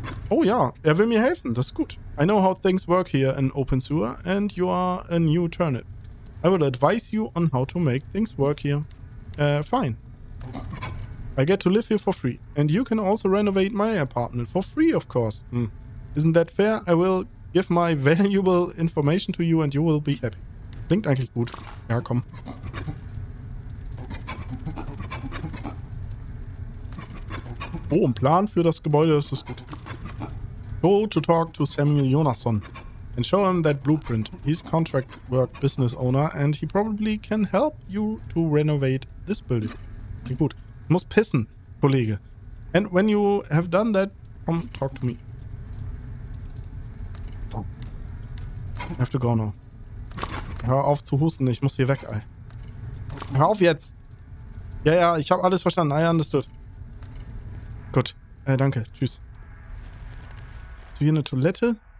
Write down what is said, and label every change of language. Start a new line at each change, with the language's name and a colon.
German: Oh ja, er will mir helfen, das ist gut.
English: I know how things work here in Open Sewer and you are a new turnip. I will advise you on how to make things work here. Fine. I get to live here for free. And you can also renovate my apartment for free, of course. Isn't that fair? I will give my valuable information to you and you will be happy.
German: Klingt eigentlich gut. Ja, komm. Oh, ein Plan für das Gebäude, das ist gut.
English: Go to talk to Samuel Jonasson. and show him that blueprint. He's contract work business owner and he probably can help you to renovate this building.
German: Klingt gut. Ich muss pissen, Kollege.
English: And when you have done that, come talk to me. I have to go now.
German: Hör auf zu husten, ich muss hier weg, ey. Hör auf jetzt! Ja, ja, ich habe alles verstanden.
English: I understood.
German: Gut. Danke. Tschüss. Hast du hier eine Toilette?